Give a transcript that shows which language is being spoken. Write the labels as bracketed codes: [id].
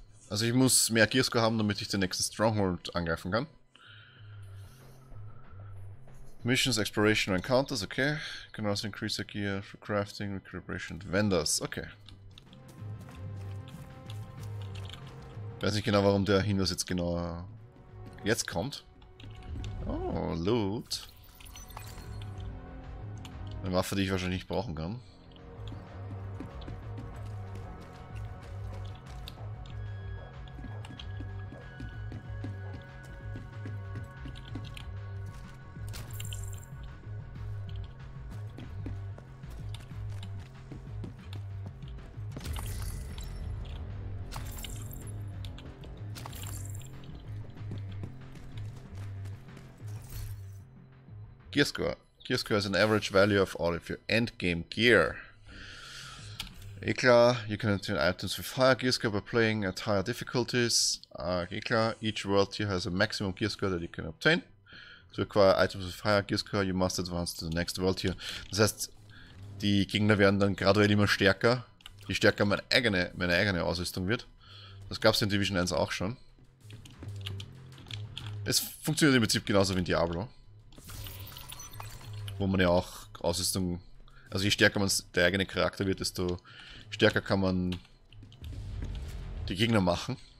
[de] Also ich muss mehr Gearsco haben, damit ich den nächsten Stronghold angreifen kann. [en] Missions, Exploration, Encounters, okay. Can also increase the gear for crafting, recuperation, vendors, okay. [de] Weiß nicht genau, warum der Hinweis jetzt genau jetzt kommt. Oh, Loot. Eine Waffe, die ich wahrscheinlich nicht brauchen kann. [en] Gear score. Gear score is an average value of all of your endgame gear. [de] Eh klar, [en] you can obtain items with higher gear score by playing at higher difficulties. [de] Eh klar, [en] each world tier has a maximum gear score that you can obtain. To acquire items with higher gear score, you must advance to the next world tier. [de] Das heißt, die Gegner werden dann graduell immer stärker, je stärker meine eigene Ausrüstung wird. Das gab es in Division 1 auch schon. Es funktioniert im Prinzip genauso wie in Diablo. Wo man ja auch Ausrüstung, also je stärker man der eigene Charakter wird, desto stärker kann man die Gegner machen.